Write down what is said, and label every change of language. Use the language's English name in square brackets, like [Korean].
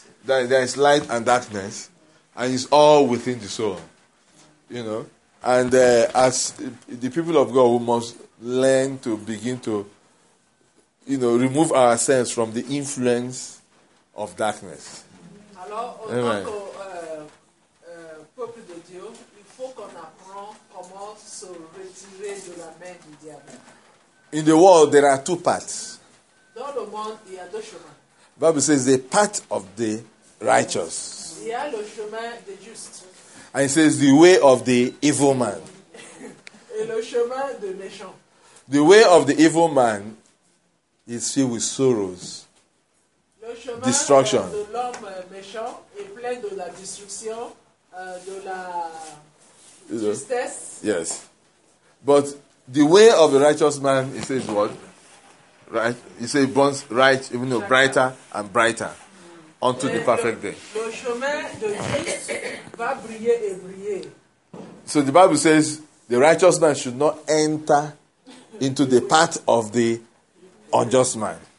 [English] That there is light and darkness, and it's all within the soul, you know. And as the people of God, we must learn to begin to, you know, remove ourselves from the influence of darkness. Hello, Amen. Amen. [French] Peuple de Dieu, il faut qu'on apprend comment se retirer de la main du diable. [English] In the world, there are two paths. [French] Dans le monde, il y a deux chemins. [English] Bible says the path of the righteous. [French] Il y a le chemin des justes. [English] And it says the way of the evil man. [French] Et le chemin des méchants. [English] The way of the evil man is filled with sorrows. [French] Le chemin destruction. De l'homme méchant est plein de la destruction, de la justesse. [English] Yes. But the way of the righteous man, it says what? Right, you say it burns right, even though brighter and brighter, unto the perfect day. [French] Le chemin de Christ va briller et briller. [English] So the Bible says the righteous man should not enter into the path of the unjust man.